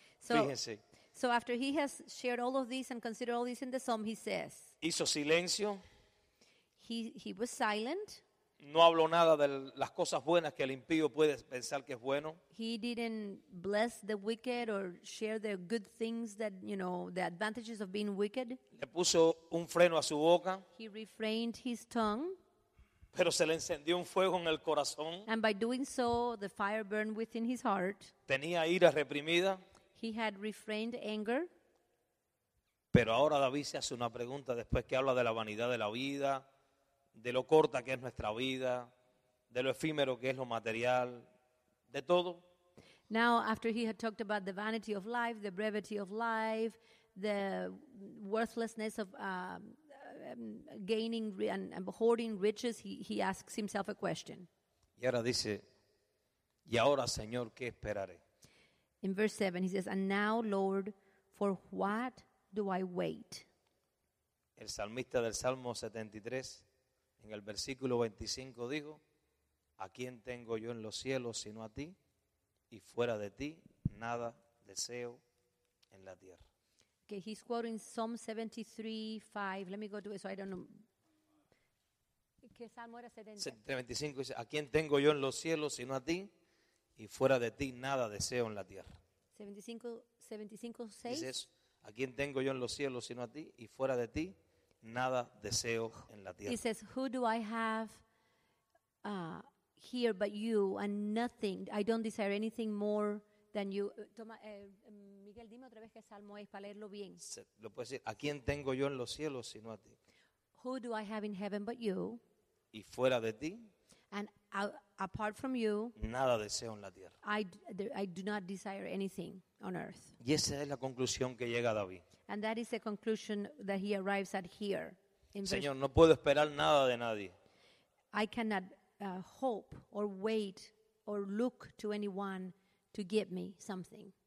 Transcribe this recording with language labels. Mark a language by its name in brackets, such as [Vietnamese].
[English] So, [Spanish] fíjense. [English] So after he has shared all of this and considered all this in the Psalm, he says. [Spanish] Hizo silencio. [English] He was silent. [Spanish] No habló nada de las cosas buenas que el impío puede pensar que es bueno. [English] He didn't bless the wicked or share the good things that, you know, the advantages of being wicked. [Spanish] Le puso un freno a su boca. [English] He refrained his tongue. [Spanish] Pero se le encendió un fuego en el corazón. [English] And by doing so, the fire burned within his heart. [Spanish] Tenía ira reprimida. [English] He had refrained anger. [Spanish] Pero ahora David se hace una pregunta después que habla de la vanidad de la vida, de lo corta que es nuestra vida, de lo efímero que es lo material, de todo. [English] Now, after he had talked about the vanity of life, the brevity of life, the worthlessness of gaining and hoarding riches, he asks himself a question. [Spanish] Y ahora dice, y ahora, Señor, ¿qué esperaré? [English] In verse 7, he says, and now, Lord, for what do I wait? [Spanish] El salmista del Salmo 73, en el versículo 25, dijo, ¿a quién tengo yo en los cielos sino a ti? Y fuera de ti, nada deseo en la tierra. [English] Okay, he's quoting Psalm 73:5. Let me go to it so I don't know. [Spanish] ¿Qué salmo era 75? Dice, ¿a quién tengo yo en los cielos sino a ti? Y fuera de ti, nada deseo en la tierra. 75:6? Dice, ¿a quién tengo yo en los cielos sino a ti? Y fuera de ti, nada deseo en la tierra. [English] He says, who do I have here but you, and nothing, I don't desire anything more than you. [Spanish] Miguel, dime otra vez qué salmo es para leerlo bien. Lo puedes decir, ¿a quién tengo yo en los cielos sino a ti? [English] Who do I have in heaven but you? [Spanish] Y fuera de ti. [English] And apart from you. [Spanish] Nada deseo en la tierra. [English] I do not desire anything on earth. [Spanish] Y esa es la conclusión que llega David. [English] And that is the conclusion that he arrives at here. [Spanish] Señor, no puedo esperar nada de nadie. [English] I cannot hope or wait or look to anyone to give me something.